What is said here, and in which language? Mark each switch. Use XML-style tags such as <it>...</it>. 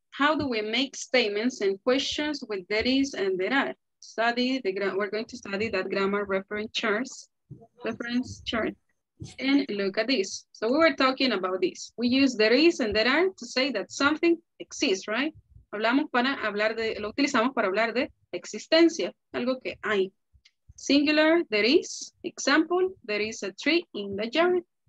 <en>How do we make statements and questions with there is and there are? Study the we're going to study that grammar reference chart and look at this. So we were talking about this. We use there is and there are to say that something exists, right?</en> <es>Hablamos para hablar de, lo utilizamos para hablar de existencia, algo que hay.</es> <en>Singular, there is. Example, there is a tree in the yard.</en>